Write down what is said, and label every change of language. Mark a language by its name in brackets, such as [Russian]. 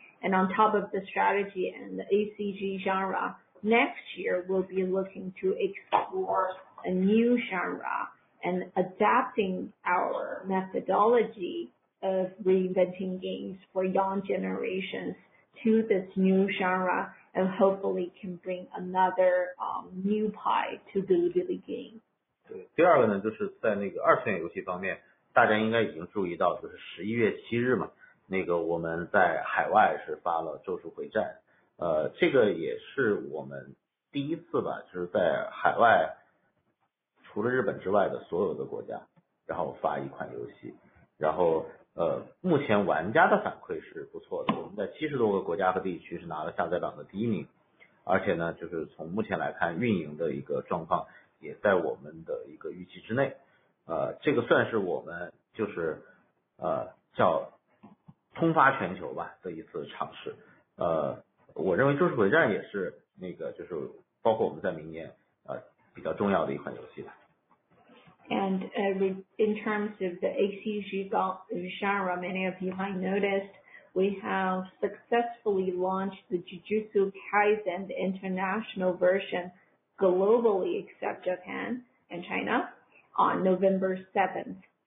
[English] And on top of the strategy and the ACG genre, next year we'll be looking to explore a new genre and adapting our methodology of reinventing games for young generations to this new genre. And hopefully can bring another new pie to the Bilibili game. [Chinese] 对，第二个呢，就是在那个二次元游戏方面，大家应该已经注意到，就是11月7日嘛，那个我们在海外是发了《咒术回战》，这个也是我们第一次吧，就是在海外，除了日本之外的所有的国家，然后发一款游戏，然后。目前玩家的反馈是不错的，我们在70多个国家和地区是拿了下载榜的第一名，而且呢，就是从目前来看，运营的一个状况也在我们的一个预期之内。这个算是我们就是叫通发全球吧的一次尝试。我认为《咒术回战》也是那个就是包括我们在明年比较重要的一款游戏吧。 [English] And in terms of the ACG genre, many of you might noticed, we have successfully launched the Jujutsu Kaisen, the international version, globally except Japan and China, on November 7th.